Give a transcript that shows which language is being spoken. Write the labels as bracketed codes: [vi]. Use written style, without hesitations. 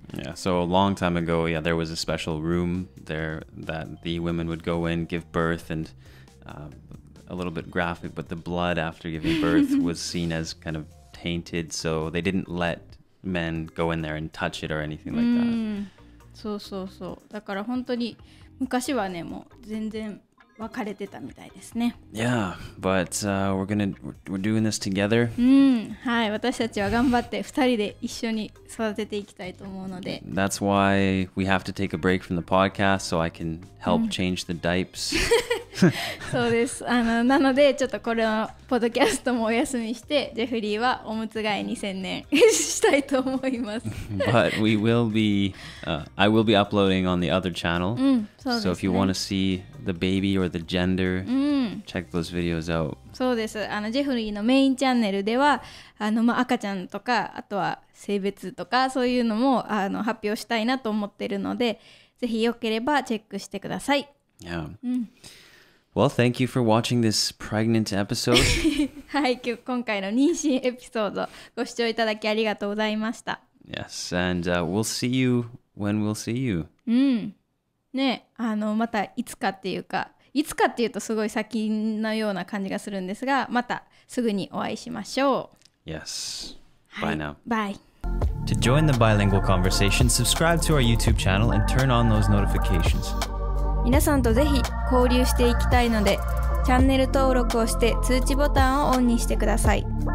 [en] Yeah, so a long time ago, yeah, there was a special room there that the women would go in, give birth, and、a little bit graphic, but the blood after giving birth was seen as kind of tainted, so they didn't let men go in there and touch it or anything like that. [ja] そうそうそう、だから本当に昔はね、もう全然別れてたみたいですね。 [en] Yeah, but we're doing this together. [ja] うん、はい、私たちは頑張って二人で一緒に育てていきたいと思うので。 [en] That's why we have to take a break from the podcast so I can help change the diapers. [ja] そうです。なのでちょっとこれのポッドキャストもお休みして、ジェフリーはおむつ替えに専念したいと思います。 [en] But we will be, I will be uploading on the other channel. [ja] うん、そうですね。 [en] So if you want to see the baby or the gender, check those videos out. [ja] そうです。あのジェフリーのメインチャンネルでは、あのまあ赤ちゃんとか、あとは性別とかそういうのもあの発表したいなと思っているので、ぜひよければチェックしてください。 [en] Yeah. Well, thank you for watching this pregnant episode. [ja] はい、今回の妊娠エピソードご視聴いただきありがとうございました。 [en] Yes, and we'll see you when we'll see you. [ja] うん。ね、あのまたいつかっていうか、いつかっていうとすごい先のような感じがするんですが、またすぐにお会いしましょう。 [en] Yes. Bye now. Bye. To join the bilingual conversation, subscribe to our YouTube channel and turn on those notifications. [ja] 皆さんとぜひ交流していきたいので、チャンネル登録をして通知ボタンをオンにしてください。